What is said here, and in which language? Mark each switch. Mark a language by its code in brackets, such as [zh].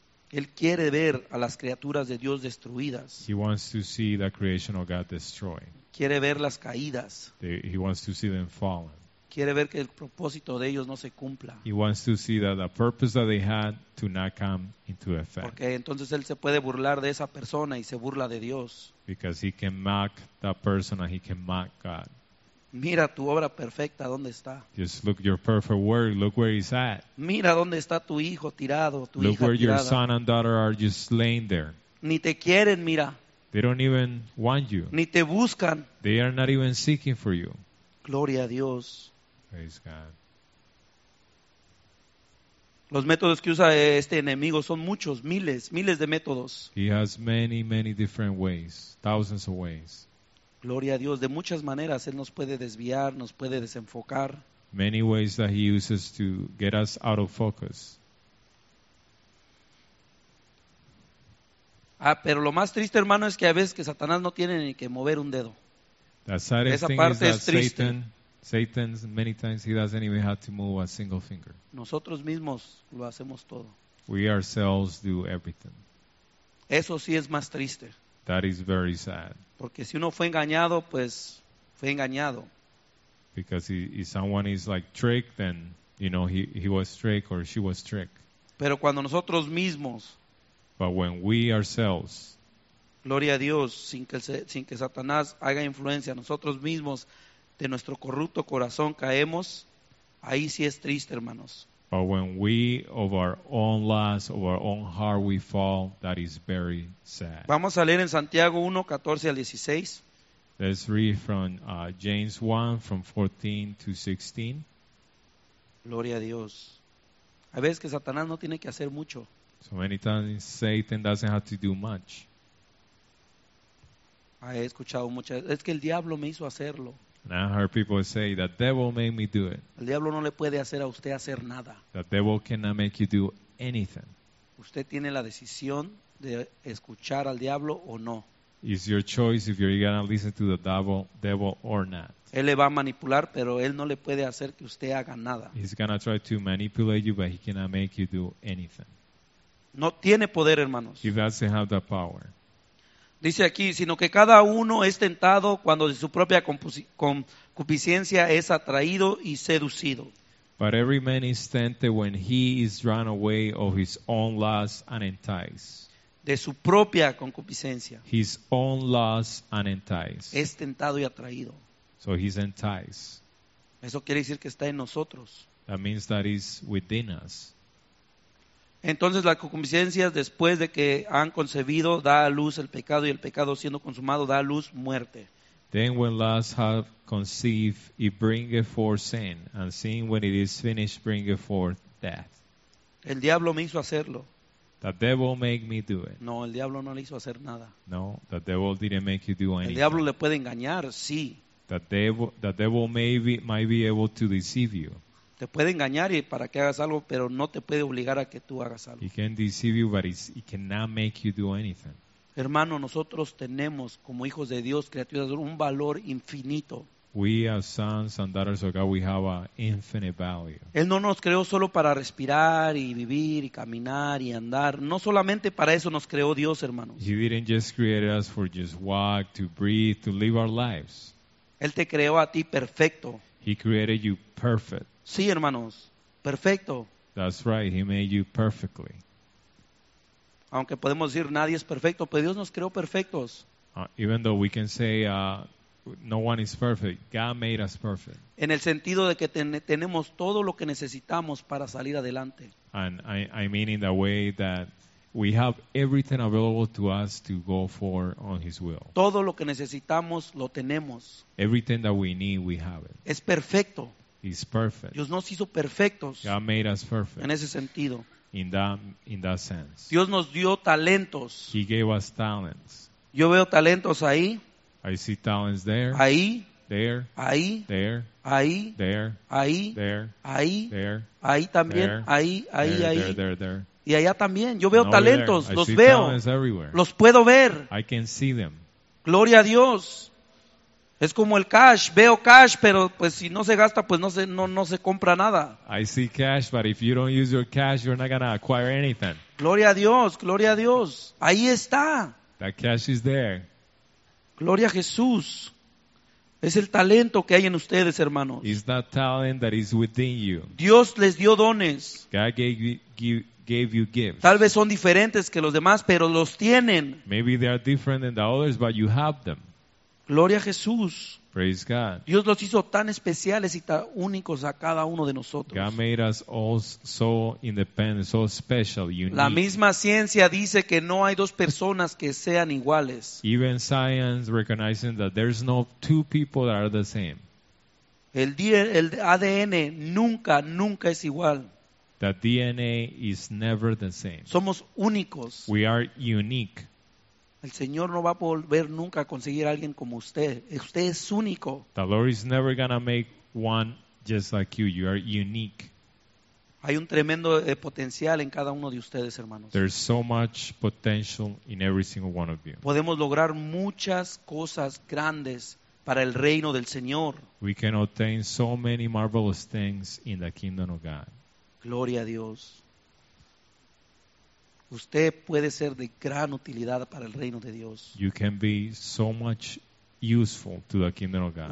[es] Él quiere ver a las criaturas de Dios destruidas. [en] He wants to see the creation of God destroyed. [es] Quiere ver las caídas. [en] He wants to see them fallen. [es] Quiere ver que el propósito de ellos no se cumpla. [en] He wants to see that the purpose that they had to not come into effect. [es] Porque entonces él se puede burlar de esa persona y se burla de Dios. [en] Because he can mock that person and he can mock God. [es] Mira tu obra perfecta, ¿dónde está? [en] Just look your perfect work, look where he's at. [es] Mira dónde está tu hijo tirado, tu [en] look [es] hija [en] where [es] tirada. [en] Your son and daughter are just laying there. [es] Ni te quieren, mira. [en] They don't even want you. [es] Ni te buscan. [en] They are not even seeking for you. [es] Gloria a Dios. [en] Praise God. [es] Los métodos que usa este enemigo son muchos, miles, miles de métodos. [en] He has many, many different ways, thousands of ways. [es] Gloria a Dios, de muchas maneras él nos puede desviar, nos puede desenfocar. [en] Many ways that he uses to get us out of focus. [es] Ah, pero lo más triste, hermano, es que a veces que Satanás no tiene ni que mover un dedo. [en] The saddest thing is that Satan many times he doesn't even have to move a single finger. [es] Nosotros mismos lo hacemos todo. [en] We ourselves do everything. [es] Eso sí es más triste. [en] That is very sad. [es] Porque si uno fue engañado, pues fue engañado. [en] Because if someone is like tricked, then you know he was tricked or she was tricked. [es] Pero cuando nosotros mismos. [en] But when we ourselves. [es] Gloria a Dios, sin que Satanás haga influencia, nosotros mismos de nuestro corrupto corazón caemos, ahí sí es triste, hermanos. [en] But when we, of our own lust, of our own heart, we fall, that is very sad. [es] Vamos a leer en Santiago 1, 14 al 16. [en] Let's read from James 1, from 14 to 16. [es] Gloria a Dios. Hay veces que Satanás no tiene que hacer mucho. [en] So many times Satan doesn't have to do much. [es] Ay, he escuchado mucho. Es que el diablo me hizo hacerlo. [en] And I heard people say, the devil made me do it. [es] El diablo no le puede hacer a usted hacer nada. [en] The devil cannot make you do anything. [es] Usted tiene la decisión de escuchar al diablo o no. [en] It's your choice if you're going to listen to the devil or not. [es] Él le va a manipular, pero él no le puede hacer que usted haga nada. [en] He's going to try to manipulate you, but he cannot make you do anything. [es] No tiene poder, hermanos. [en] He doesn't have the power. [es] Dice aquí, sino que cada uno es tentado cuando de su propia concupiscencia es atraído y seducido. [en] But every man is tempted when he is drawn away of his own lust and enticed. [es] De su propia concupiscencia. [en] His own lust and enticed. [es] Es tentado y atraído. [en] So he's enticed. [es] Eso quiere decir que está en nosotros. [en] That means that he's within us. [es] Entonces las concupiscencias después de que han concebido da a luz el pecado y el pecado siendo consumado da a luz muerte. [en] Then when lust have conceived it bringeth forth sin and sin when it is finished bringeth forth death. [es] El diablo me hizo hacerlo. [en] The devil made me do it. [es] No, el diablo no le hizo hacer nada. [en] No, the devil didn't make you do anything. [es] El diablo le puede engañar, sí. [en] The devil might be able to deceive you. [es] Te puede engañar y para que hagas algo, pero no te puede obligar a que tú hagas algo. [en] He can deceive you, but he cannot make you do anything. [es] Hermano, nosotros tenemos como hijos de Dios, criaturas, un valor infinito. [en] We as sons and daughters of God, we have an infinite value. [es] Él no nos creó solo para respirar y vivir y caminar y andar. No solamente para eso nos creó Dios, hermanos. [en] He didn't just create us for just walk, to breathe, to live our lives. [es] Él te creó a ti perfecto. [en] He created you perfect. [es] Sí, hermanos, perfecto. [en] That's right. He made you perfectly. [es] Aunque podemos decir nadie es perfecto, pero Dios nos creó perfectos. [en] Even though we can say no one is perfect, God made us perfect. [es] En el sentido de que tenemos todo lo que necesitamos para salir adelante. [en] And I mean in the way that we have everything available to us to go for on His will. [es] Todo lo que necesitamos lo tenemos. [en] Everything that we need, we have it. [es] Es perfecto. [en] He's perfect. [es] Dios nos hizo perfectos. [en] God made us perfect. [es] En ese sentido. [en] In that sense. [es] Dios nos dio talentos. [en] He gave us talents. [es] Yo veo talentos ahí. [en] I see talents there. [es] Ahí. [en] There. [es] Ahí. [en] There. [es] Ahí. [en] There. [es] Ahí. [en] There. [es] Ahí. [en] There. [es] Ahí también. [en] There. [es] Ahí. Ahí. [en] There, [es] ahí. [en] There, there, there. [es] Y allá también. Yo veo talentos. [en] I [es] los veo. [en] Talents everywhere. [es] Los puedo ver. [en] I can see them. [es] Gloria a Dios. Es como el cash. Veo cash, pero pues si no se gasta, pues no se compra nada. [en] I see cash, but if you don't use your cash, you're not gonna acquire anything. [es] Gloria a Dios, gloria a Dios. Ahí está. [en] That cash is there. [es] Gloria a Jesús. Es el talento que hay en ustedes, hermanos. [en] It's that talent that is within you. [es] Dios les dio dones. [en] God gave you gifts. [es] Tal vez son diferentes que los demás, pero los tienen. [en] Maybe they are different than the others, but you have them. [es] Gloria a Jesús. [en] Praise God. [es] Dios los hizo tan especiales y tan únicos a cada uno de nosotros. [en] God made us all so independent, so special, unique. [es] La misma ciencia dice que no hay dos personas que sean iguales. [en] Even science recognizing that there's no two people that are the same. [es] El ADN nunca, nunca es igual. [en] The DNA is never the same. [es] Somos únicos. [en] We are unique. [es] El Señor no va a volver nunca a conseguir a alguien como usted. Usted es único. [en] The Lord is never going to make one just like you. You are unique. [es] Hay un tremendo potencial en cada uno de ustedes, hermanos. [en] There's so much potential in every single one of you. [es] Podemos lograr muchas cosas grandes para el reino del Señor. [en] We can obtain so many marvelous things in the kingdom of God. [es] Gloria a Dios. Usted puede ser de gran utilidad para el reino de Dios. [en] You can be so much useful to the kingdom of God.